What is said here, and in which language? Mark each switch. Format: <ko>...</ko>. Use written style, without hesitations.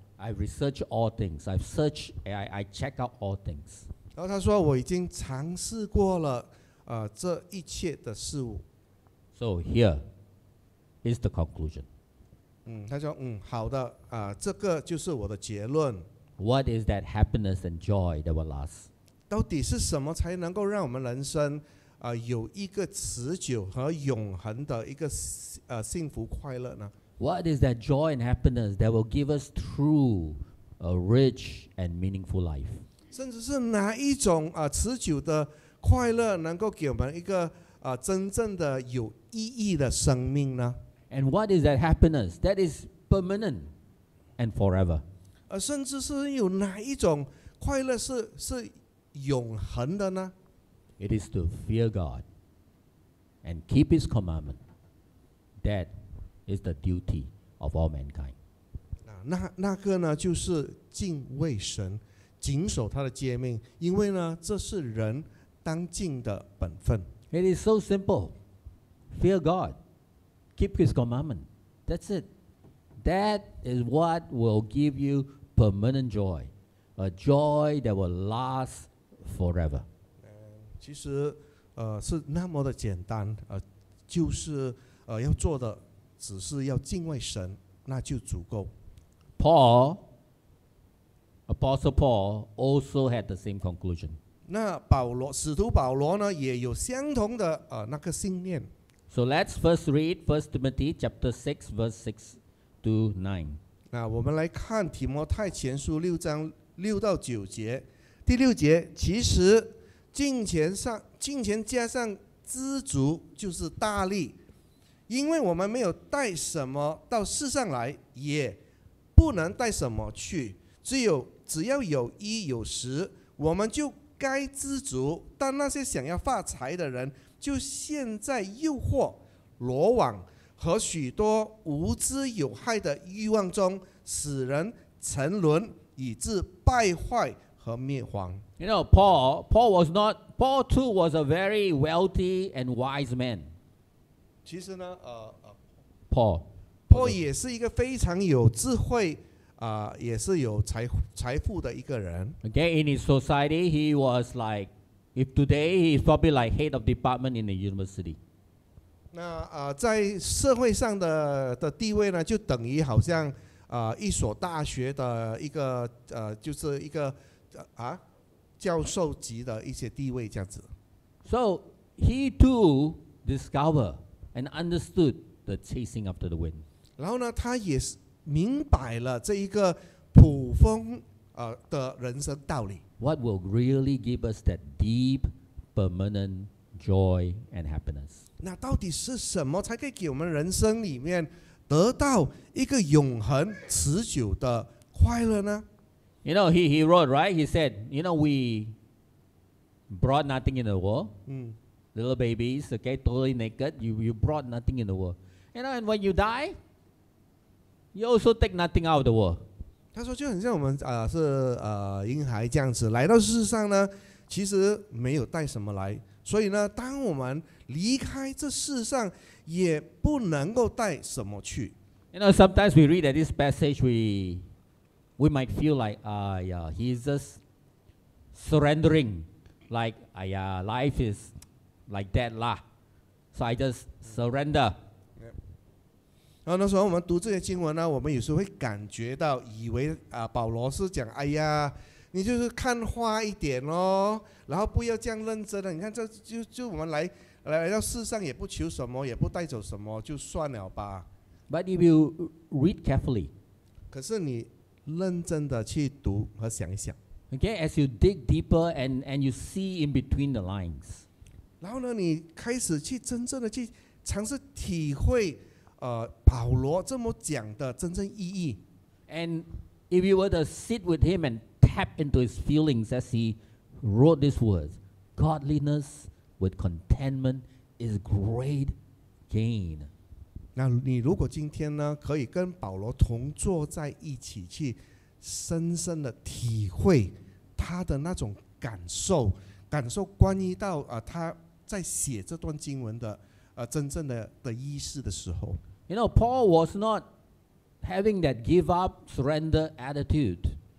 <en>I research all things. I've searched. I check out all things.</en> <zh>然后他说，我已经尝试过了这一切的事物。</zh> <en>So here is the conclusion.</en> <zh>他说好的，这个就是我的结论。</zh> <en>What is that happiness and joy that will last?</en> <zh>到底是什么才能够让我们人生有一个持久和永恒的一个幸福快乐呢？</zh> <en>What is that joy and happiness that will give us true, a rich and meaningful life?</en> <zh>甚至是哪一种持久的快乐能够给我们一个真正的有意义的生命呢？</zh> <en>And what is that happiness that is permanent and forever?</en> <zh>甚至是有哪一种快乐是永恒的呢？</zh> <en>It is to fear God and keep His commandment. That is the duty of all mankind.</en> <zh>那个呢，就是敬畏神，谨守他的诫命，因为呢，这是人当尽的本分。</zh> <en>It is so simple. Fear God. Keep His commandment. That's it. That is what will give you permanent joy. A joy that will last forever.</en> <zh>其实是那么的简单，就是要做的只是要敬畏神，那就足够。</zh> <en>Paul, Apostle Paul, also had the same conclusion.</en> <zh>那保罗，使徒保罗呢，也有相同的那个信念。</zh> <en>So let's first read 1 Timothy chapter 6 verse 6 to 9.</en> <zh>那我们来看提摩太前书六章六到九节。第六节，其实金钱加上知足就是大利，因为我们没有带什么到世上来，也不能带什么去，只要有衣有食，我们就该知足。但那些想要发财的人，就陷在诱惑、罗网和许多无知有害的欲望中，使人沉沦，以致败坏和灭亡。</zh> <en>You know, Paul too was a very wealthy and wise man.</en> <zh>其实呢，</zh> <en>Paul</en> <zh>也是一个非常有智慧。也是有财富的一个人。</zh> <en>Okay, in his society, he was like, if today he's probably like head of department in the university.</en> <zh>那在社会上的地位呢，就等于好像一所大学的一个就是一个教授级的一些地位这样子。</zh> <en>So he too discovered and understood the chasing after the wind.</en> <zh>然后呢，他也是明白了这一个普风的人生道理。</zh> <en>What will really give us that deep, permanent joy and happiness?</en> <zh>那到底是什么才可以给我们人生里面得到一个永恒持久的快乐呢？</zh> <en>You know, he wrote, right? He said, you know, we brought nothing in the world. Mm. Little babies, okay, totally naked. You brought nothing in the world. You know, and when you die, you also take nothing out of the world.</en> <zh>他说就很像我们是婴孩这样子来到世上呢，其实没有带什么来，所以呢，当我们离开这世上，也不能够带什么去。</zh> <en>You know, sometimes we read this passage, we might feel like, he's just surrendering, like, life is like that lah. So I just surrender.</en> <zh>然后那时候我们读这些经文呢，我们有时候会感觉到，以为保罗是讲，哎呀，你就是看花一点咯，然后不要这样认真的。你看这就我们来到世上也不求什么，也不带走什么，就算了吧。</zh> <en>But if you read carefully,</en> <zh>可是你认真的去读和想一想。</zh> <en>Okay, as you dig deeper and you see in between the lines,</en> <zh>然后呢，你开始去真正的去尝试体会。保罗这么讲的真正意义。</zh> <en>And if you were to sit with him and tap into his feelings as he wrote these words, godliness with contentment is great gain.</en> <zh>那你如果今天呢，可以跟保罗同坐在一起，去深深的体会他的那种感受关于到他在写这段经文的真正的意思的时候。</zh> <en>You know, Paul was not having that give up, surrender attitude.</en>